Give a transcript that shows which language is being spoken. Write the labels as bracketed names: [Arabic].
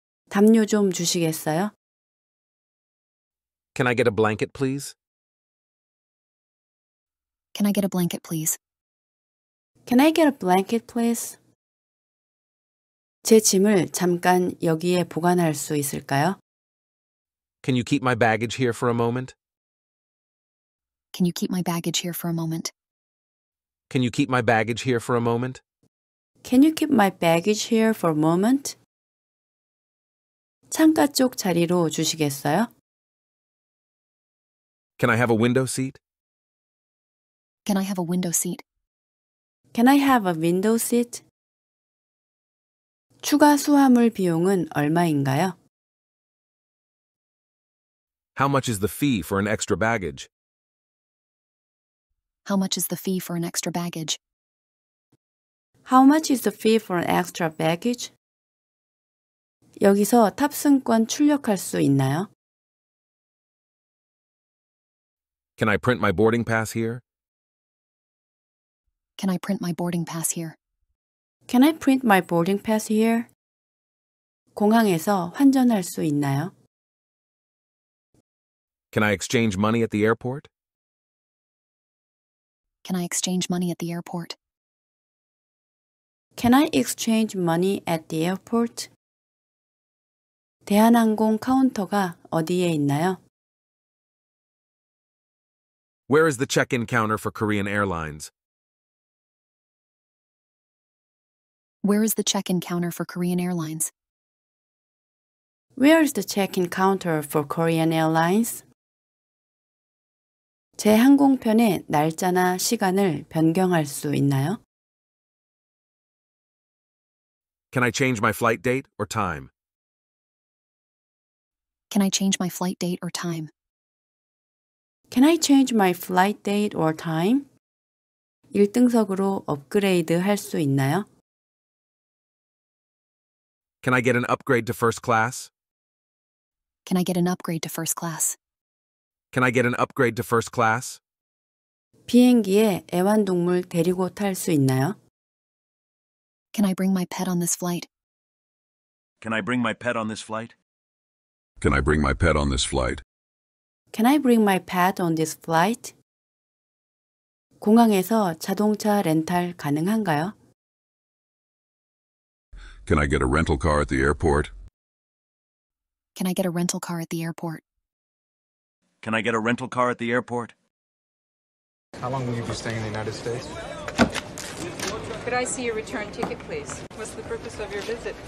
[Korean] 담요 좀 주시겠어요? [English] Can I get a blanket, please? Can I get a blanket, please? Can I get a blanket, please? [Korean] 제 짐을 잠깐 여기에 보관할 수 있을까요? [English] Can you keep my baggage here for a moment? Can you keep my baggage here for a moment? Can you keep my baggage here for a moment? Can you keep my baggage here for a moment? [Korean] 창가 쪽 자리로 주시겠어요? [English] Can I have a window seat? Can I have a window seat? Can I have a window seat? [Korean] 추가 수화물 비용은 얼마인가요? [English] How much is the fee for an extra baggage? How much is the fee for an extra baggage? How much is the fee for an extra baggage? [Korean] 여기서 탑승권 출력할 수 있나요? [English] Can I print my boarding pass here? Can I print my boarding pass here? Can I print my boarding pass here? [Korean] 공항에서 환전할 수 있나요? [English] Can I exchange money at the airport? Can I exchange money at the airport? Can I exchange money at the airport? [Korean] 대한항공 카운터가 어디에 있나요? [English] Where is the check-in counter for Korean Airlines? Where is the check-in counter for Korean Airlines? Where is the check-in counter for Korean Airlines? [Korean] 제 항공편의 날짜나 시간을 변경할 수 있나요? [English] Can I change my flight date or time? Can I change my flight date or time? Can I change my flight date or time? [Korean] 1등석으로 업그레이드 할 수 있나요? [English] Can I get an upgrade to first class? Can I get an upgrade to first class? Can I get an upgrade to first class? [Korean] 비행기에 애완동물 데리고 탈 수 있나요? [English] Can I bring my pet on this flight? Can I bring my pet on this flight? Can I bring my pet on this flight? Can I bring my pet on this flight? [Korean] 공항에서 자동차 렌탈 가능한가요? [English] Can I get a rental car at the airport? Can I get a rental car at the airport? Can I get a rental car at the airport? How long will you be staying in the United States? Could I see your return ticket, please? What's the purpose of your visit?